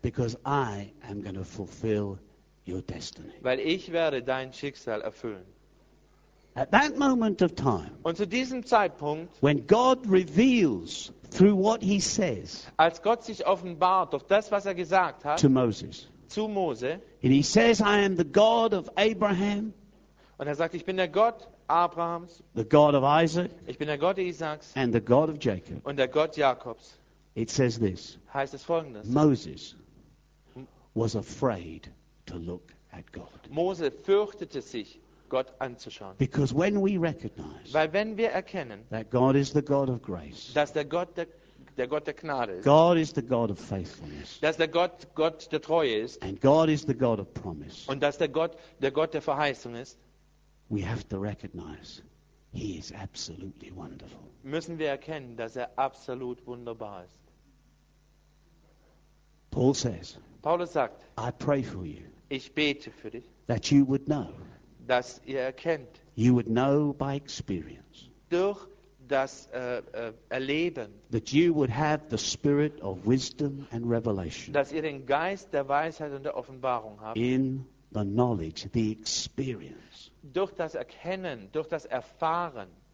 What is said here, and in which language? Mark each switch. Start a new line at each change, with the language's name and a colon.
English: Because I am going to fulfill your destiny.
German: Weil ich werde dein Schicksal erfüllen.
English: At that moment of time.
German: Und zu diesem Zeitpunkt.
English: When God reveals through what He says.
German: Als Gott sich offenbart durch das, was er gesagt hat.
English: To Moses.
German: Zu Mose.
English: And He says, I am the God of Abraham.
German: Und er sagt, ich bin der Gott Abrahams,
English: the God of Isaac,
German: ich bin der Gott Isaaks,
English: and the God of Jacob,
German: und der Gott Jakobs.
English: It says this.
German: Heißt es folgendes.
English: Moses was afraid to look at God.
German: Mose fürchtete sich, Gott anzuschauen.
English: Because when we recognize,
German: weil wenn wir erkennen,
English: that God is the God of grace,
German: dass der Gott der Gott der Gnade ist,
English: God is the God of faithfulness,
German: dass der Gott der Treue ist,
English: and God is the God of promise,
German: und dass der Gott der Verheißung ist,
English: we have to recognize he is absolutely wonderful.
German: Müssen wir erkennen, dass absolut wunderbar ist.
English: Paul says,
German: Paulus sagt,
English: I pray for you,
German: ich bete für dich,
English: that you would know,
German: dass ihr erkennt,
English: you would know by experience,
German: durch das Erleben,
English: that you would have the spirit of wisdom and revelation,
German: dass ihr den Geist der Weisheit und der Offenbarung habt,
English: in the knowledge, the experience,
German: durch das Erkennen, durch das Erfahren